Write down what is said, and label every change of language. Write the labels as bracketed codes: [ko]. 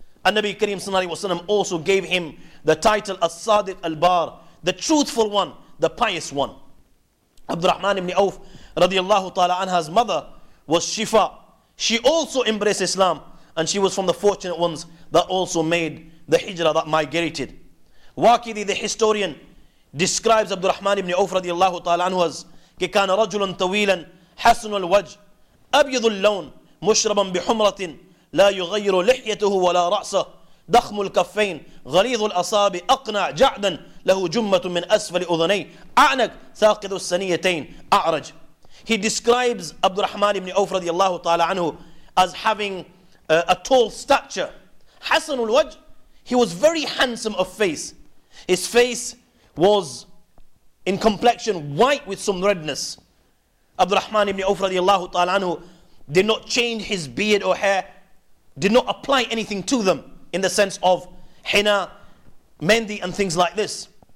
[en] And Nabi Kareem sallallahu alayhi wa sallam also gave him the title As-Sadiq Al-Bar, the truthful one, the pious one. Abdul Rahman ibn Awf radiallahu ta'ala anha's mother was Shifa. She also embraced Islam, and she was from the fortunate ones that also made the hijrah, that migrated. Waqidi, the historian, describes Abdul Rahman ibn Awf radiallahu ta'ala anhu as [ar] كَكَانَ رَجُلٌ طَوِيلًا حَسْنُ الْوَجْهِ أَبْيَضُ اللَّوْنِ مُشْرَبًا بِحُمْرَةٍ لَا يُغَيِّرُ لِحْيَتُهُ وَلَا رَأْسَهُ ضَخْمُ الْكَفَّيْنِ غَلِيظُ الْأَصَابِعِ أَقْنَعُ جَعْدًا لَهُ جُمَّةٌ مِنْ أَسْفَلِ أُذُنَيْهِ أَعْنَقُ ثَاقِبُ السَّنِيَّتَيْنِ أَعْرَجُ. [en] He describes Abdul Rahman ibn Awf radiallahu ta'ala anhu as having a tall stature. [ar] حَسْنُ الْوَجْهِ, [en] he was very handsome of face. His face was in complexion white with some redness. Abdul Rahman ibn Awf radiallahu ta'ala anhu did not change his beard or hair, did not apply anything to them in the sense of henna, mehndi and things like this.